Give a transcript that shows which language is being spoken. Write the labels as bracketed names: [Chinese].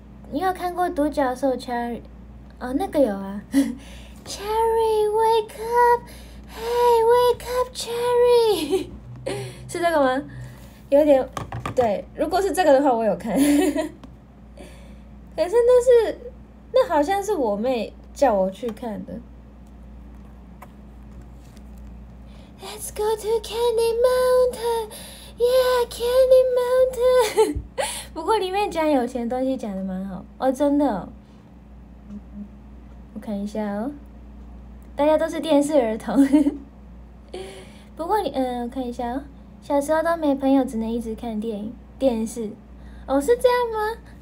[Chinese] 你有看过独角兽 Cherry？哦，那个有啊。 [English] Cherry wake up，Hey, wake up, Cherry! [Chinese] 是这个吗？有点对，如果是这个的话，我有看。可是那是，那好像是我妹叫我去看的。 [English] Let's go to Candy Mountain, yeah, Candy Mountain. [Chinese] 不过里面讲有钱的东西讲的蛮好哦，真的、哦。我看一下哦，大家都是电视儿童。不过你，我看一下哦。小时候都没朋友，只能一直看电视。哦，是这样吗？